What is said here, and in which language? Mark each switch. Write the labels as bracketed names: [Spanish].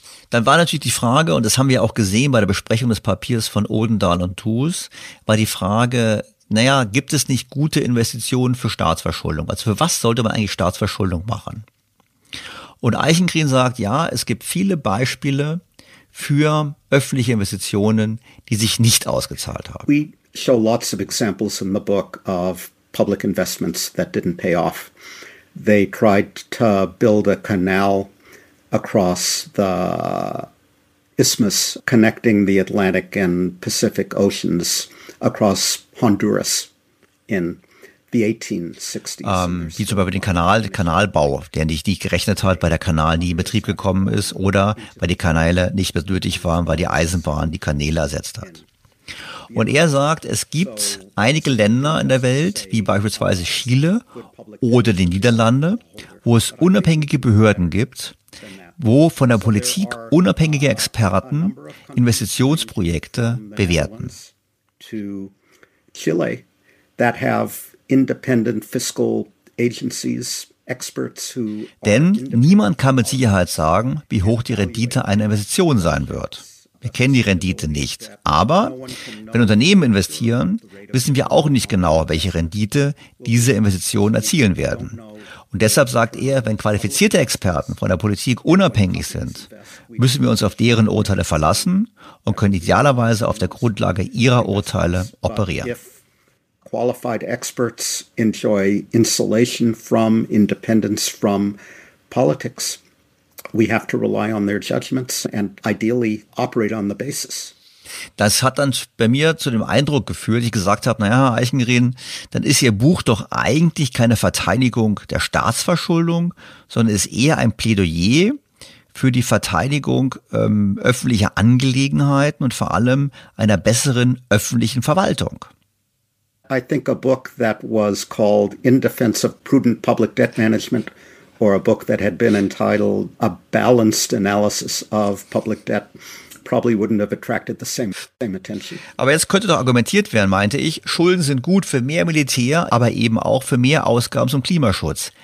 [German] Dann war natürlich die Frage, und das haben wir auch gesehen bei der Besprechung des Papiers von Oldendahl und Thus, war die Frage, naja, gibt es nicht gute Investitionen für Staatsverschuldung? Also für was sollte man eigentlich Staatsverschuldung machen? Und Eichengreen sagt, ja, es gibt viele Beispiele für öffentliche Investitionen, die sich nicht ausgezahlt haben. [English] We show lots of examples in the book of public investments that didn't pay off. They tried to build a canal across the isthmus connecting the Atlantic and Pacific Oceans across Honduras in the 1860s. [German] Wie zum Beispiel den Kanalbau, der nicht gerechnet hat, weil der Kanal nie in Betrieb gekommen ist oder weil die Kanäle nicht mehr nötig waren, weil die Eisenbahn die Kanäle ersetzt hat. Und er sagt, es gibt einige Länder in der Welt, wie beispielsweise Chile oder die Niederlande, wo es unabhängige Behörden gibt, wo von der Politik unabhängige Experten Investitionsprojekte bewerten. [English] To Chile, that have independent fiscal agencies [German] Denn niemand kann mit Sicherheit sagen, wie hoch die Rendite einer Investition sein wird. Wir kennen die Rendite nicht. Aber wenn Unternehmen investieren, wissen wir auch nicht genau, welche Rendite diese Investitionen erzielen werden. Und deshalb sagt er, wenn qualifizierte Experten von der Politik unabhängig sind, müssen wir uns auf deren Urteile verlassen und können idealerweise auf der Grundlage ihrer Urteile operieren. [English] Qualified experts enjoy insulation from independence from politics. We have to rely on their judgments and ideally operate on the basis. [German] Das hat dann bei mir zu dem Eindruck geführt, ich gesagt habe, naja, Herr Eichengreen, dann ist Ihr Buch doch eigentlich keine Verteidigung der Staatsverschuldung, sondern ist eher ein Plädoyer für die Verteidigung öffentlicher Angelegenheiten und vor allem einer besseren öffentlichen Verwaltung. [English] I think a book that was called In Defense of Prudent Public Debt Management or a book that had been entitled A Balanced Analysis of Public Debt probably wouldn't have attracted the same attention. [German] Aber jetzt könnte doch argumentiert werden, meinte ich, Schulden sind gut für mehr Militär, aber eben auch für mehr Ausgaben zum Klimaschutz.